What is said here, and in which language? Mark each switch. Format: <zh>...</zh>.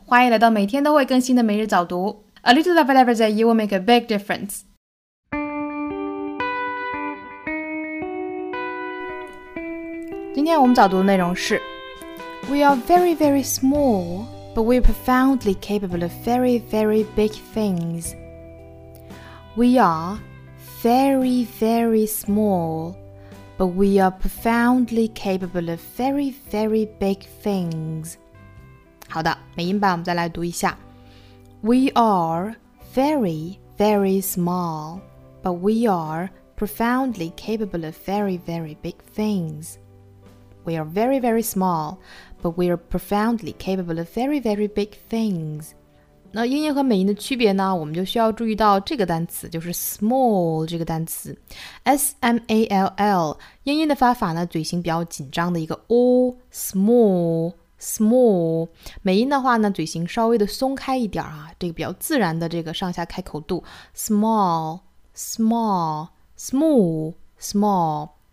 <zh>欢迎来到每天都会更新的每日早读。</zh> <en>A little of every day will make a big difference. Today, our</en> <zh>早读的内容是</zh> <en>We are very, very small, but we are profoundly capable of very, very big things. We are very, very small, but we are profoundly capable of very, very big things.</en> <zh>好的，美音版我们再来读一下。</zh> <en>We are very, very small, but we are profoundly capable of very, very big things. We are very, very small, but we are profoundly capable of very, very big things.</en> <zh>那英音和美音的区别呢，我们就需要注意到这个单词，就是 small 这个单词。 S-M-A-L-L, 英音的发法呢，嘴型比较紧张的一个 O, small,small, 美音的话呢嘴型稍微的松开一点啊，这个比较自然的这个上下开口度 small, small, small, small.</zh>